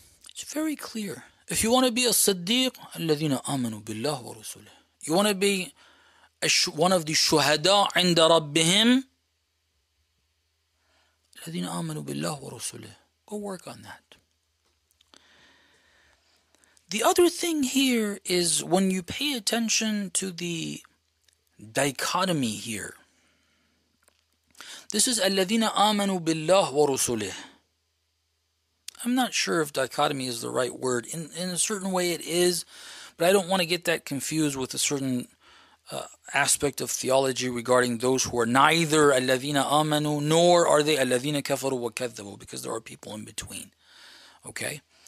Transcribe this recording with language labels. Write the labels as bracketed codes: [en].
[en] It's very clear. If you want to be a Siddiq, [ar] الَّذِينَ آمَنُوا بِاللَّهِ وَرُسُولِهِ, [en] you want to be one of the shuhada [ar] عند ربهم, [en] الَّذِينَ آمَنُوا بِاللَّهِ وَرُسُولِهِ, go work on that. The other thing here is when you pay attention to the dichotomy here. This is [ar] الَّذِينَ آمَنُوا بِاللَّهِ وَرُسُولِهِ. [en] I'm not sure if dichotomy is the right word. In a certain way it is, but I don't want to get that confused with a certain aspect of theology regarding those who are neither [ar] الَّذِينَ آمَنُوا [en] nor are they [ar] الَّذِينَ كَفَرُوا وَكَذَّبُوا, [en] because there are people in between. Okay?